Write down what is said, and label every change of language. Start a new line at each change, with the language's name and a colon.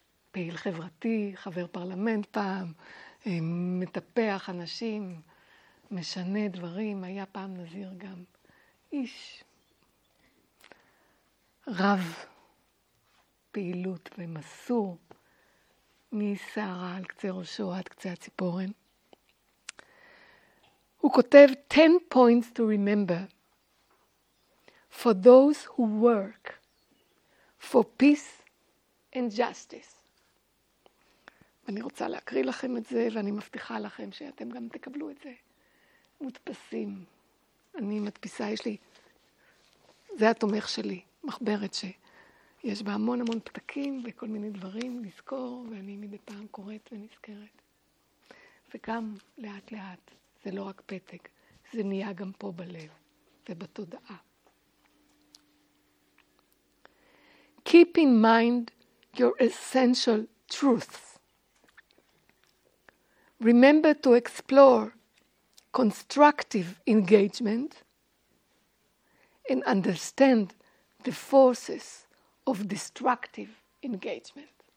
Hebrew: פעיל חברתי, חבר פרלמנט פעם, מטפח אנשים, משנה דברים, היה פעם נזיר גם איש רב פעילות ומסור, מסערה על קצה ראשו עד קצה הציפורן. הוא כותב
English: 10 points to remember for those who work for peace and justice.
Hebrew: אני רוצה להקריא לכם את זה, ואני מבטיחה לכם שאתם גם תקבלו את זה. מודפסים. אני מדפיסה, יש לי, זה התומך שלי, מחברת שיש בה המון המון פתקים וכל מיני דברים לזכור, ואני מדי פעם קוראת ונזכרת. וגם לאט לאט. זה לא רק פתק, זה נהיה גם פה בלב ובתודעה.
English: Keep in mind your essential truth. Remember to explore constructive engagement and understand the forces of destructive engagement.